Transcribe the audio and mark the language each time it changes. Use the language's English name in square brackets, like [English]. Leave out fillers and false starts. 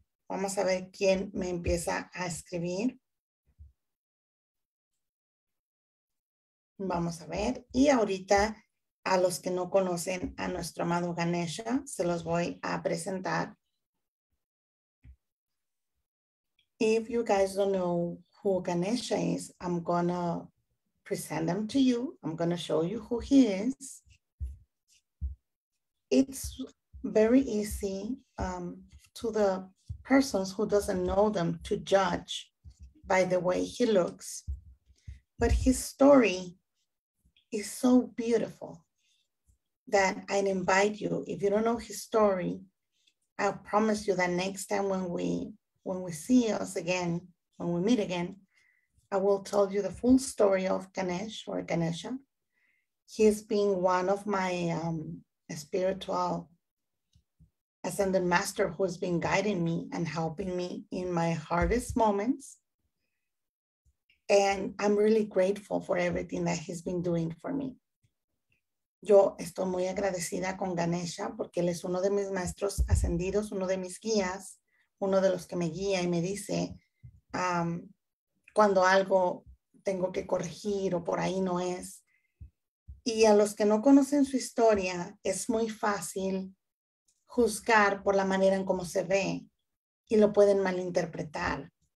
[Spanish] Vamos a ver quién me empieza a escribir. Vamos a ver. Y ahorita, a los que no conocen a nuestro amado Ganesha, se los voy a presentar. [English] If you guys don't know who Ganesha is, I'm going to present him to you. I'm going to show you who he is. It's very easy to the persons who doesn't know them to judge by the way he looks. But his story is so beautiful that I'd invite you, if you don't know his story, I promise you that next time when we see us again, when we meet again, I will tell you the full story of Ganesh or Ganesha. He's been one of my spiritual ascended master who's been guiding me and helping me in my hardest moments. And I'm really grateful for everything that he's been doing for me. [Spanish] Yo estoy muy agradecida con Ganesha porque él es uno de mis maestros ascendidos, uno de mis guías, uno de los que me guía y me dice cuando algo tengo que corregir o por ahí no es. Y a los que no conocen su historia, es muy fácil juzgar por la manera en cómo se ve y lo pueden malinterpretar.